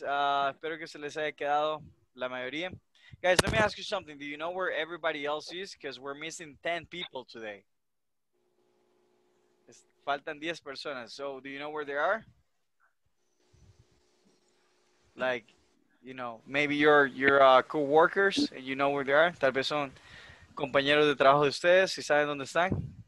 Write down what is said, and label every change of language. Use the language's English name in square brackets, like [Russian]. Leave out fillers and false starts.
[Spanish] Espero que se les haya quedado la mayoría. [English] Guys, let me ask you something. Do you know where everybody else is? Because we're missing 10 people today. [Spanish] Faltan 10 personas. [English] So, do you know where they are? Like, you know, maybe your co-workers and you know where they are. [Spanish] Tal vez son compañeros de trabajo de ustedes y saben dónde están.